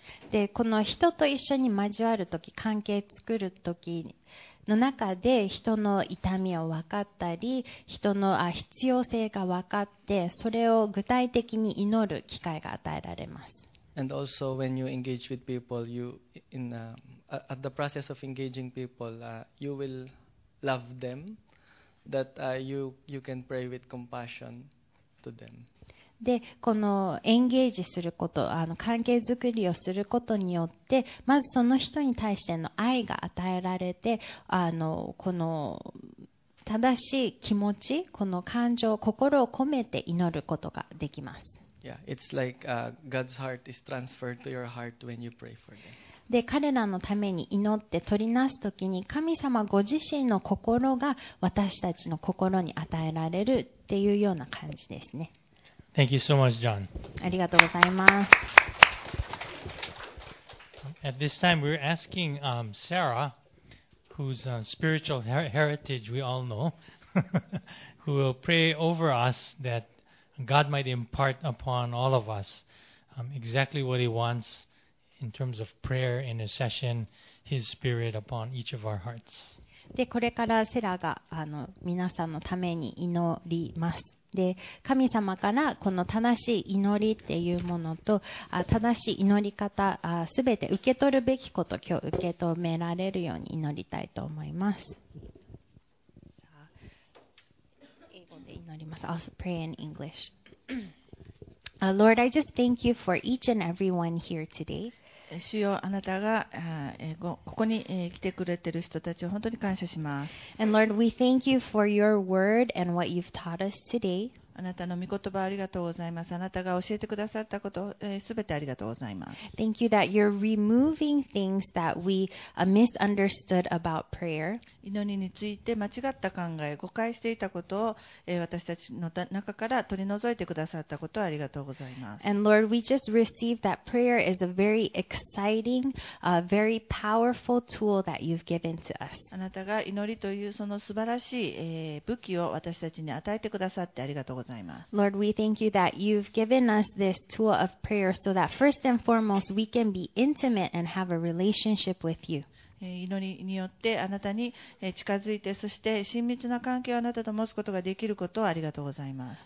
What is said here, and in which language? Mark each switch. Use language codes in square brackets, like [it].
[ja] で、この人と一緒に交わるとき、関係作るときの中で人の痛みを分かったり、人の必要性が分かって、それを具体的に祈る機会が与えられます。 [en] And also when you engage with people, you in at the process of engaging people, you will love them, that you can pray with compassion to them. [ja] で、このエンゲージすること、関係づくりをすることによって、まずその人に対しての愛が与えられて、この正しい気持ち、この感情、心を込めて祈ることができます。 [en] Yeah, it's like, God's heart is transferred to your heart when you pray for them. [ja] で、彼らのために祈って取りなすときに、神様ご自身の心が私たちの心に与えられるっていうような感じですね。 [en] Thank you so much, John. [ja] ありがとうございます。 [en] At this time, we're asking Sarah, whose spiritual heritage we all know, who will pray over us that God might impart upon all of us exactly what He wants in terms of prayer and intercession, His Spirit upon each of our hearts. [ja] で、これからセラが皆さんのために祈ります。で、神様からこの正しい祈りっていうものと正しい祈り方すべて受け取るべきこと今日受け止められるように祈りたいと思います。じゃあ英語で祈ります。 [en] I'll pray in English. Lord, I just thank you for each and everyone here today. [ja] 主よ、あなたがここに来てくれている人たちを本当に感謝します。 [en] And Lord, we thank you for your word and what you've taught us today. [ja] あなたの御言葉ありがとうございます。あなたが教えてくださったこと、すべてありがとうございます。 [en] Thank you that you're removing things that we misunderstood about prayer. [ja] 祈りについて間違った考え、誤解していたことを、私たちの中から取り除いてくださったことをありがとうございます。 [en] And Lord, we just received that prayer is a very exciting, a very powerful tool that you've given to us. [ja] あなたが祈りというその素晴らしい、武器を私たちに与えてくださってありがとうございます。 [en] Lord, we thank you that you've given us this tool of prayer so that first and foremost we can be intimate and have a relationship with you. [ja] 祈りによってあなたに近づいてそして親密な関係をあなたと持つことができることをありがとうございます。